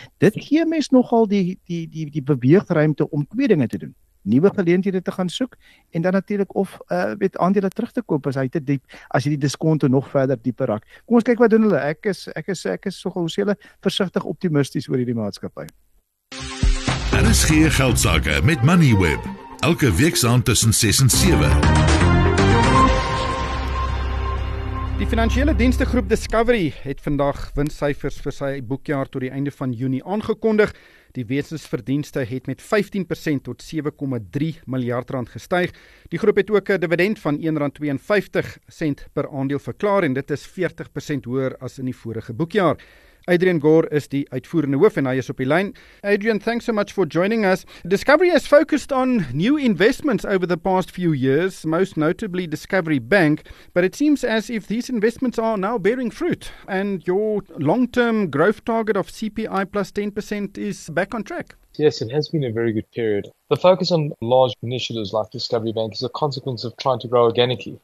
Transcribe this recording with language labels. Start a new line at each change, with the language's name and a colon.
Afrikaans: Dit gee mens nogal die beweegruimte om twee dinge te doen. Nuwe geleenthede te gaan soek en dan natuurlik of met aandele terug te koop as hy te diep, as jy die diskonto nog verder dieper raak. Kom ons kyk wat doen hulle. Ek is so gou sê hulle versigtig optimisties oor hierdie maatskappy. Daar is geen geldsaake met Moneyweb. Elke week saand tussen 6 en 7. Die finansiële dienstegroep Discovery het vandag winssyfers vir sy boekjaar tot die einde van Junie aangekondig. Die wesensverdienste het met 15% tot R7,3 miljard rand gestyg. Die groep het ook 'n dividend van R1,52 per aandeel verklaar en dit is 40% hoër as in die vorige boekjaar. Adrian Gore is die uitvoerende hoof en hy is op die lyn.
English: Adrian, thanks so much for joining us. Discovery has focused on new investments over the past few years, most notably Discovery Bank, but it seems as if these investments are now bearing fruit and your long-term growth target of CPI plus 10% is back on track. Yes, it has been a very good period. The focus on large initiatives like Discovery Bank is a consequence of trying to grow organically.